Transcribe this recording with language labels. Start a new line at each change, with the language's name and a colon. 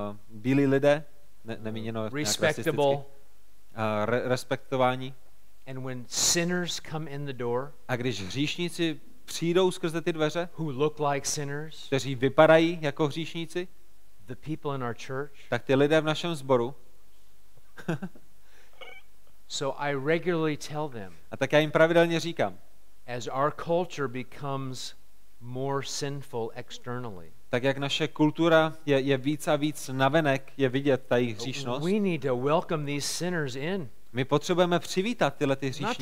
Czech: Bílí lidé, nemíněno nějak
English: respectable.
Czech: Respektování.
English: And when sinners come in the door.
Czech: A když hříšníci přijdou skrze ty dveře,
English: who look like sinners,
Czech: kteří vypadají jako hříšníci,
English: the people in our church,
Czech: tak ty lidé v našem sboru.
English: So I regularly tell them,
Czech: a tak já jim pravidelně říkám,
English: as our culture becomes more sinful externally,
Czech: tak jak naše kultura je víc a víc navenek je vidět ta jejich hříšnost,
English: we need to welcome these sinners in.
Czech: My potřebujeme přivítat tyhle ty hříšníky.